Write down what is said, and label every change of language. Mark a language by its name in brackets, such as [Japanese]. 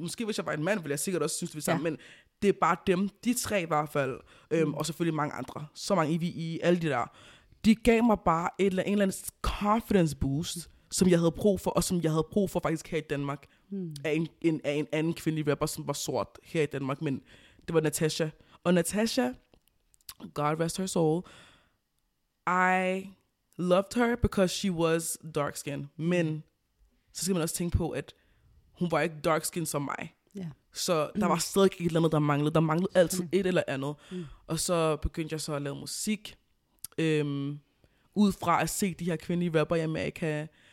[Danish] Måske hvis jeg var en mand, ville jeg sikkert også synes, det var sammen. Ja. Men det er bare dem, de tre i hvert fald, og selvfølgelig mange andre. Så mange IVI, alle de der. De gav mig bare en eller anden confidence boost, som jeg havde brug for, og som jeg havde brug for faktisk her i Danmark. Af en anden kvindelig rapper, som var sort her i Danmark, men det var Natasha. Og [English] Natasha, God rest her soul, I loved her, because she was dark skin. [Danish] Men så skal man også tænke på, at hun var ikke dark skin som mig. Så der var stadig et eller andet, der manglede. Der manglede altid et eller andet. Og så begyndte jeg så at lave musik, ud fra at se de her kvindelige rapper i Amerika.